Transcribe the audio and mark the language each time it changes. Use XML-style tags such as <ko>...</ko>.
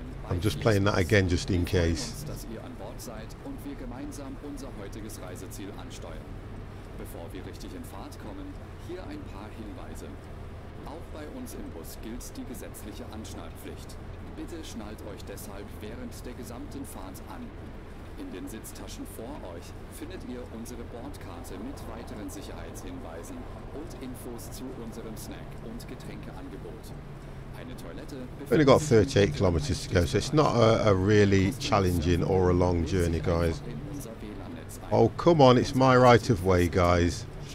<en>I'm just playing that again, just in case.</en> <de>Dass ihr an Bord seid und wir gemeinsam unser heutiges Reiseziel ansteuern. Bevor wir richtig in Fahrt kommen, hier ein paar Hinweise. Auch bei uns im Bus gilt die gesetzliche Anschnallpflicht. Bitte schnallt euch deshalb während der gesamten Fahrt an. In den Sitztaschen vor euch findet ihr unsere Bordkarte mit weiteren Sicherheitshinweisen und Infos zu unserem Snack- und Getränkeangebot.</de> <en>We've only got 38 kilometers to go, so it's not a really challenging or a long journey, guys. Oh, come on, it's my right of way, guys.</en>